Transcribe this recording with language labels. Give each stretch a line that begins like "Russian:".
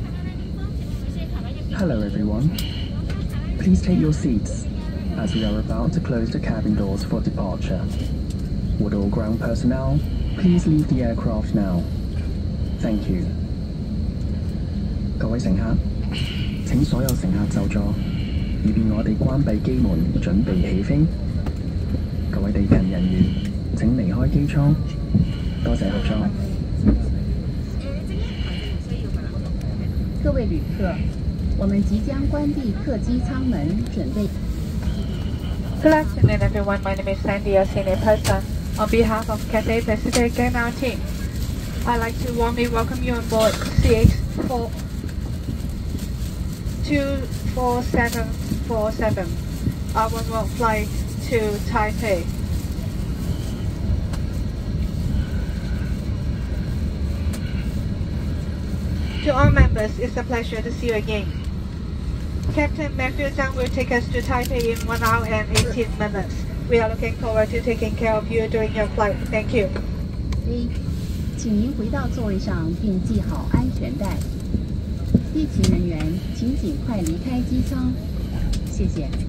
English: Hello everyone, please take your seats as we are about to close the cabin doors for departure. Would all ground personnel please leave the aircraft now? Thank you.
Chinese: 各位乘客，请所有乘客就座，以便我们关闭机门准备起飞。各位地勤人员，请离开机舱，多谢合作。各位旅客，我们即将关闭客机舱门，准备。
English: Good afternoon, everyone. My name is Sandy, a senior person. On behalf of Cathay Pacific and our team, I'd like to warmly welcome you on board CX-2474, our remote flight to Taipei. To all members, it's a pleasure to see you again. Captain Matthew Zhang will take us to Taipei in 1 hour and 18 minutes. We are looking forward to taking care of you during your flight. Thank you.
Chinese: A, 请您回到座位上并系好安全带。地勤人员，请尽快离开机舱。谢谢。